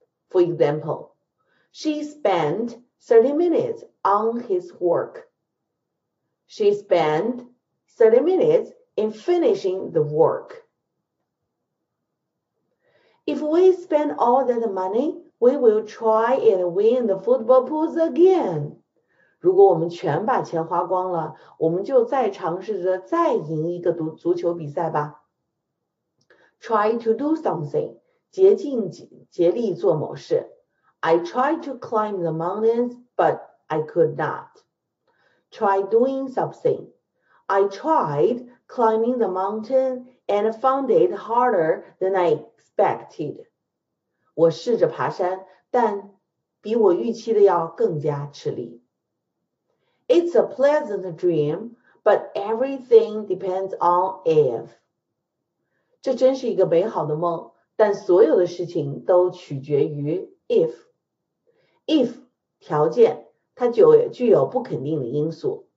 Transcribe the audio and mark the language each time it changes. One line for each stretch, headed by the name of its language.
English: For example, she spent 30 minutes on his work. She spent 30 minutes in finishing the work. If we spend all that money, we will try and win the football pools again.
Chinese: 如果我们全把钱花光了，我们就再尝试着再赢一个足球比赛吧。
English: Try to do something,
Chinese: 竭尽竭力做某事。
English: I tried to climb the mountains, but I could not. Try doing something. I tried climbing the mountain and found it harder than I expected.
Chinese: 我试着爬山，但比我预期的要更加吃力。
English: It's a pleasant dream, but everything depends on if.
Chinese: 这真是一个美好的梦，但所有的事情都取决于 if. If, 条件，它具有不肯定的因素。